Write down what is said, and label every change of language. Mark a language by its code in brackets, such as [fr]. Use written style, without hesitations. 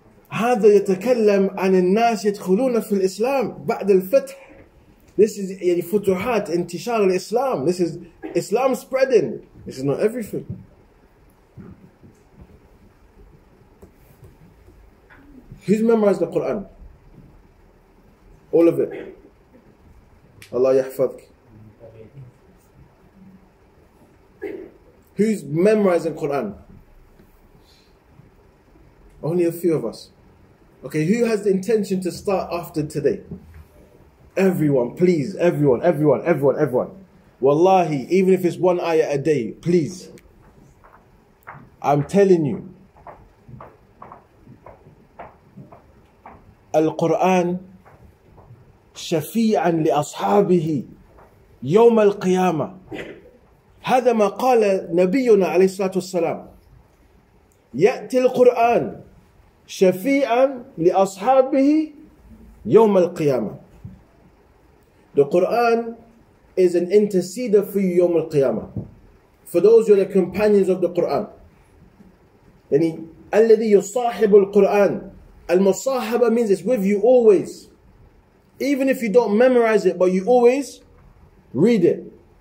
[ar] هذا يتكلم عن الناس يدخلون في الإسلام بعد الفتح. [en] This is [ar] يعني فتوحات انتشار الإسلام. [en] This is Islam spreading. This is not everything. Who's memorized the Quran? All of it. Allah yahfadk. Who's memorizing Quran? Only a few of us. Okay, who has the intention to start after today? Everyone, please, everyone, everyone, everyone, everyone. Wallahi, even if it's one ayah a day, please. I'm telling you. [ar] القرآن شفيعا لأصحابه يوم القيامة هذا ما قال نبينا عليه الصلاة والسلام يأتي القرآن شفيعا لأصحابه يوم القيامة. [en] The Quran is an interceder for you [ar] يوم القيامة. [en] For those who are the companions of the Quran. [ar] يعني الذي يصاحب القرآن. [en] Al-Musahaba means it's with you always. Even if you don't memorize it, but you always read it.